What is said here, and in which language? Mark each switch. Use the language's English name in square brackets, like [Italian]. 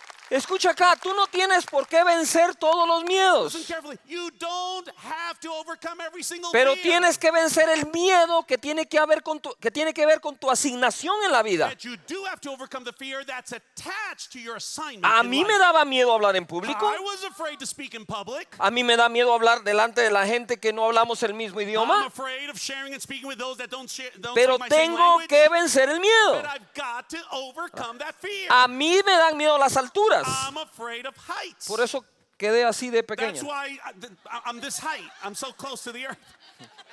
[Spanish] Escucha acá, tú no tienes por qué vencer todos los miedos. [English] You don't have to overcome every single fear. [Spanish] Pero tienes que vencer el miedo que tiene que haber con tu, que tiene que ver con tu asignación en la vida. [English] You do have to overcome the fear that's attached to your assignment. [Spanish] A mí me daba miedo hablar en público. [English] I was afraid to speak in public. [Spanish] A mí me da miedo hablar delante de la gente que no hablamos el mismo idioma. [English] I'm afraid of sharing and speaking with those that don't share, don't [Spanish] Pero [English] speak my [Spanish] tengo [English] same language. [Spanish] Que vencer el miedo. [English] But I've got to overcome that fear. [Spanish] A mí me dan miedo las alturas. [English] I'm afraid of heights. [Spanish] Por eso quedé así de pequeño. [English] That's why I'm this height. I'm so close to the earth.